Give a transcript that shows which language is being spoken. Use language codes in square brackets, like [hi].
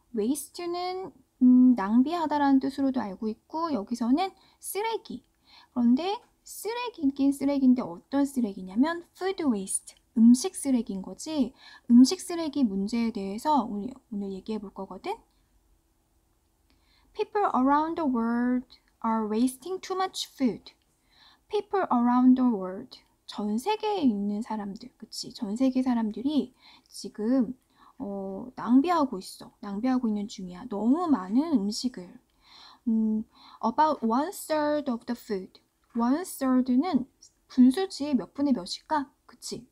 [ko] waste는 낭비하다라는 뜻으로도 알고 있고 여기서는 쓰레기. 그런데 쓰레기긴 쓰레기인데 어떤 쓰레기냐면 food waste. 음식 쓰레기인 거지. 음식 쓰레기 문제에 대해서 오늘 얘기해 볼 거거든. [en] People around the world are wasting too much food. People around the world. [ko] 전 세계에 있는 사람들, 그치? 전 세계 사람들이 지금 낭비하고 있어. 낭비하고 있는 중이야. 너무 많은 음식을. [en] About one third of the food. [ko] One third는 분수지의 몇 분의 몇일까? 그치?